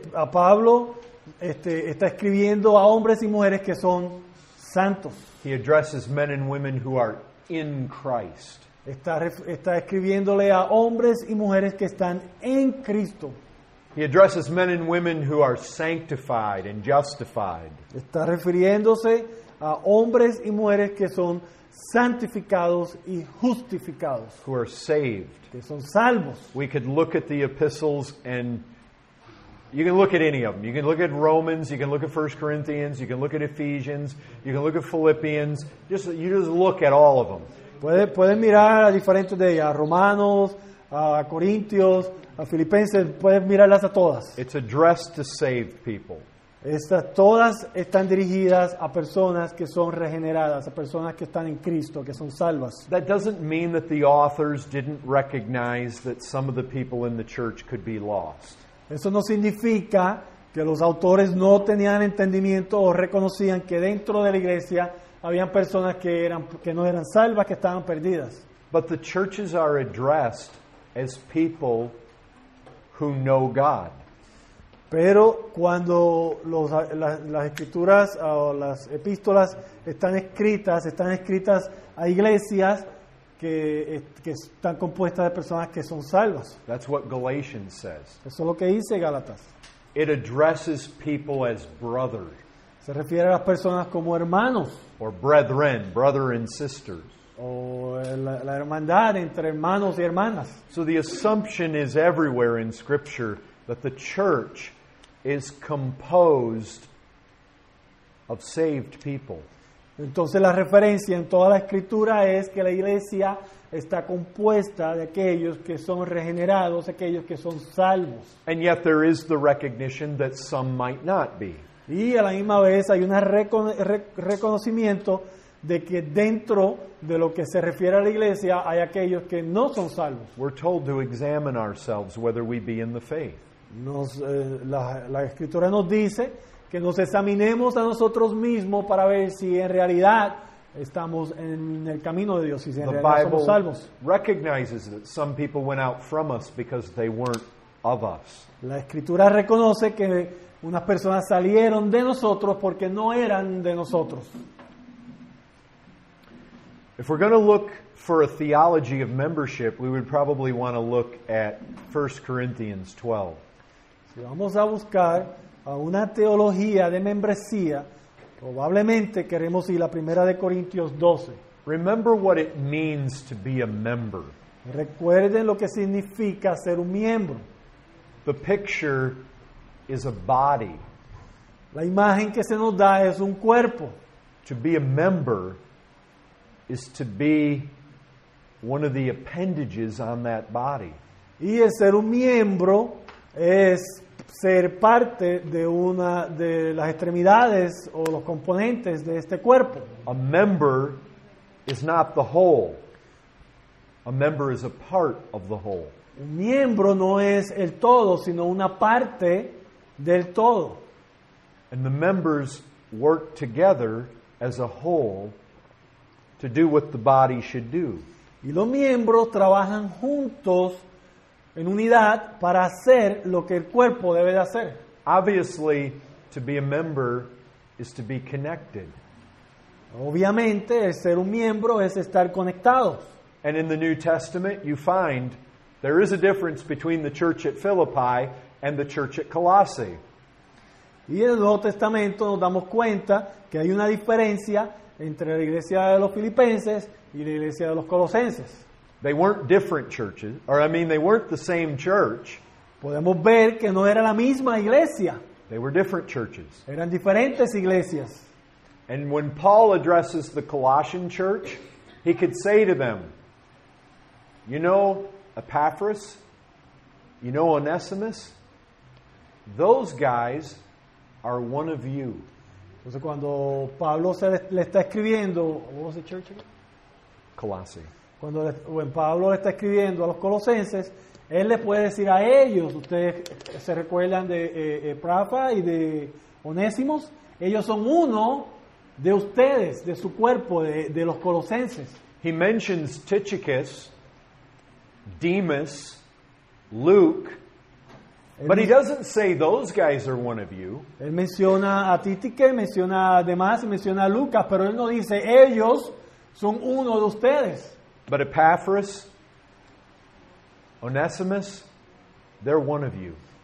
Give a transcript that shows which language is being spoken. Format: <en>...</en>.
<es>Pablo está escribiendo a hombres y mujeres que son santos.</es> <en>He addresses men and women who are in Christ.</en> <es>Está escribiéndole a hombres y mujeres que están en Cristo.</es> <en>He addresses men and women who are sanctified and justified.</en> <es>Está refiriéndose a hombres y mujeres que son santificados y justificados.</es> <en>Who are saved.</en> <es>Que son salvos.</es> <en>We could look at the epistles and you can look at any of them. You can look at Romans, you can look at 1 Corinthians, you can look at Ephesians, you can look at Philippians. You just look at all of them.</en> <es>Puede mirar a diferentes de ellas, a Romanos, a Corintios, a Filipenses, puedes mirarlas a todas.</es> <en>It's addressed to saved people.</en> <es>Estas todas están dirigidas a personas que son regeneradas, a personas que están en Cristo, que son salvas.</es> <en>That doesn't mean that the authors didn't recognize that some of the people in the church could be lost.</en> <es>Eso no significa que los autores no tenían entendimiento o reconocían que dentro de la iglesia habían personas que no eran salvas, que estaban perdidas.</es> <en>But the churches are addressed as people who know God.</en> <es>Pero cuando las escrituras o las epístolas están escritas a iglesias que están compuestas de personas que son salvas.</es> <en>That's what Galatians says.</en> <es>Eso es lo que dice Gálatas.</es> <en>It addresses people as brothers.</en> <es>Se refiere a las personas como hermanos.</es> <en>Or brethren, brother and sisters.</en> <es>O la hermandad entre hermanos y hermanas.</es> <en>So the assumption is everywhere in Scripture that the church is composed of saved people.</en> <es>Entonces la referencia en toda la escritura es que la iglesia está compuesta de aquellos que son regenerados, aquellos que son salvos.</es> <en>And yet there is the recognition that some might not be.</en> <es>Y a la misma vez hay un reconocimiento de que dentro de lo que se refiere a la iglesia hay aquellos que no son salvos.</es> <en>We're told to examine ourselves whether we be in the faith.</en> <es>La escritura nos dice que nos examinemos a nosotros mismos para ver si en realidad estamos en el camino de Dios y si en realidad somos salvos.</es> <en>The Bible recognizes that some people went out from us because they weren't of us.</en> <es>La escritura reconoce que unas personas salieron de nosotros porque no eran de nosotros.</es> <en>If we're going to look for a theology of membership, we would probably want to look at 1 Corinthians 12.</en> <es>Si vamos a buscar a una teología de membresía, probablemente queremos ir a 1 Corintios 12.</es> <en>Remember what it means to be a member.</en> <es>Recuerden lo que significa ser un miembro.</es> <en>The picture is a body.</en> <es>La imagen que se nos da es un cuerpo.</es> <en>To be a member is to be one of the appendages on that body.</en> <es>Y el ser un miembro es ser parte de una de las extremidades o los componentes de este cuerpo.</es> <en>A member is not the whole. A member is a part of the whole.</en> <es>Un miembro no es el todo, sino una parte del todo.</es> <en>And the members work together as a whole to do what the body should do.</en> <es>Y los miembros trabajan juntos en unidad para hacer lo que el cuerpo debe de hacer.</es> <en>Obviously, to be a member is to be connected.</en> <es>Obviamente, el ser un miembro es estar conectado.</es> <en>And in the New Testament, you find there is a difference between the church at Philippi and the church at Colossae.</en> <es>Y en el Nuevo Testamento nos damos cuenta que hay una diferencia entre la iglesia de los filipenses y la iglesia de los colosenses.</es> <en>They weren't different churches, or I mean, they weren't the same church.</en> <es>Podemos ver que no era la misma iglesia.</es> <en>They were different churches.</en> <es>Eran diferentes iglesias.</es> <en>And when Paul addresses the Colossian church, he could say to them, you know Epaphras, you know Onesimus, those guys are one of you.</en> <es>Entonces cuando Pablo se le está escribiendo,</es> <en>what was the church again? Colossae.</en> <es>Cuando Pablo está escribiendo a los colosenses, él le puede decir a ellos, ustedes se recuerdan de Prafa y de Onésimos, ellos son uno de ustedes, de su cuerpo, de los colosenses.</es> <en>He mentions Tychicus, Demas, Luke, but he doesn't say those guys are one of you.</en> <es>Él menciona a Tychicus, menciona a Demas, menciona a Lucas, pero él no dice ellos son uno de ustedes.</es> <en>But Epaphras, Onesimus, they're one of you.</en>